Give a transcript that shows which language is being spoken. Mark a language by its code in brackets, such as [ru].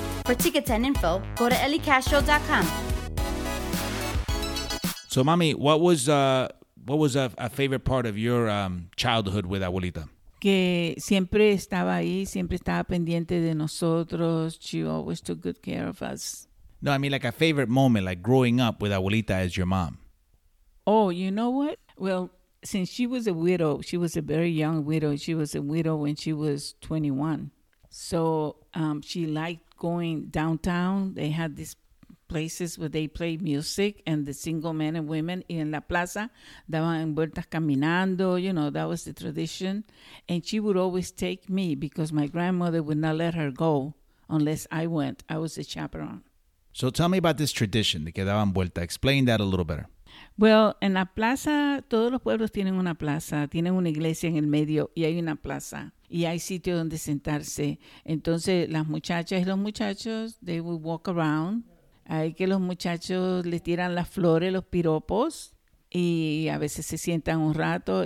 [en] For tickets and info, go to elliecastro.com. So, mommy, what was a favorite part of your childhood with Abuelita? [es] Que siempre estaba ahí, siempre estaba pendiente de nosotros. [en] She always took good care of us. No, I mean like a favorite moment, like growing up with Abuelita as your mom. Oh, you know what? Well, since she was a widow, she was a very young widow. She was a widow when she was 21. So she liked going downtown. They had these places where they played music and the single men and women in La Plaza, [es] daban vueltas caminando, [en] you know, that was the tradition. And she would always take me because my grandmother would not let her go unless I went. I was a chaperone. So tell me about this tradition, [es] de que daban vuelta. [en] Explain that a little better. [es] Well, en la plaza, todos los pueblos tienen una plaza, tienen una iglesia en el medio y hay una plaza y hay sitio donde sentarse. Entonces, las muchachas y los muchachos, [en] they would walk around. [es] Hay que los muchachos les tiran las flores, los piropos y a veces se sientan un rato.